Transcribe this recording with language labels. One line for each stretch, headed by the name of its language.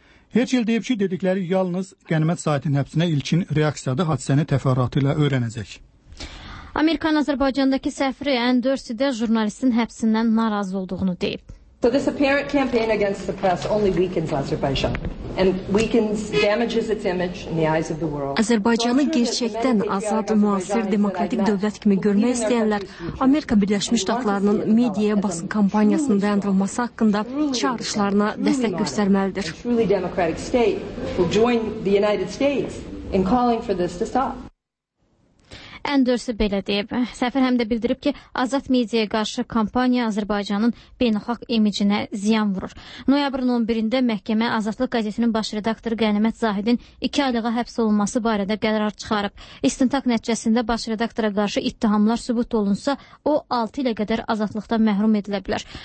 Azerbaijani: Heç il deyib ki, dedikləri yalnız Qənməz Zahidin həbsinə ilkin reaksiyada hadisəni təfərrüatı ilə öyrənəcək. Amerikan Azərbaycandakı səfiri Endorsi də jurnalistin həbsindən narazı olduğunu deyib.
English: So this apparent campaign against the press only weakens Azerbaijan and weakens damages its image in the eyes of the world.
Azerbaijani: Azərbaycanı gerçəkdən azad, müasir, demokratik dövlət kimi görmək istəyənlər Amerika Birləşmiş Ştatlarının mediaya basın kampaniyasının dayandırılması haqqında çağırışlarına dəstək göstərməlidir.
English: Truly democratic state will join the United States in calling for this to stop.
Azerbaijani: Endorsi belə deyib. Səfir həm də bildirib ki, azad mediaya qarşı kampaniya Azərbaycanın beynəlxalq imicinə ziyan vurur. Noyabrın 11-də məhkəmə Azadlıq qəzetinin baş redaktoru Qənimət Zahidin 2 aylığa həbs olunması barədə qərar çıxarıb. İstintaq nəticəsində baş redaktora qarşı ittihamlar sübut olunsa, o 6 ilə qədər azadlıqdan məhrum edilə bilər.